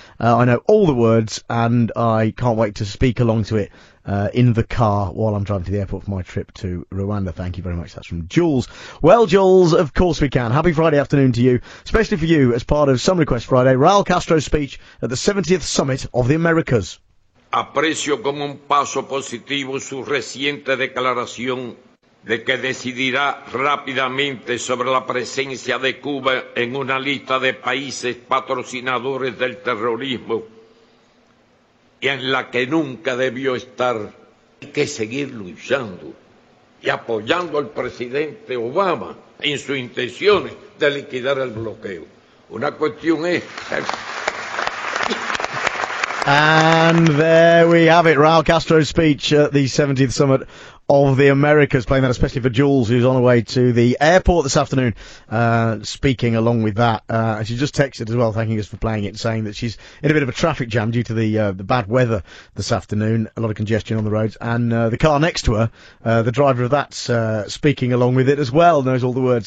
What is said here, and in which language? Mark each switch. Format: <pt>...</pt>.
<en>I know all the words, and I can't wait to speak along to it in the car while I'm driving to the airport for my trip to Rwanda. Thank you very much. That's from Jules. Well, Jules, of course we can. Happy Friday afternoon to you, especially for you as part of Some Request Friday. Raul Castro's speech at the 70th Summit of the Americas.</en> <es>Aprecio como un paso positivo su reciente declaración de que decidirá rápidamente sobre la presencia de Cuba en una lista de países patrocinadores del terrorismo y en la que nunca debió estar. Hay que seguir luchando y apoyando al presidente Obama en sus intenciones de liquidar el bloqueo. Una cuestión es...</es> <en>And there we have it, Raul Castro's speech at the 70th Summit of the Americas, playing that especially for Jules, who's on her way to the airport this afternoon, speaking along with that. She just texted as well, thanking us for playing it, saying that she's in a bit of a traffic jam due to the bad weather this afternoon, a lot of congestion on the roads, and the car next to her, the driver of that's speaking along with it as well, knows all the words.</en>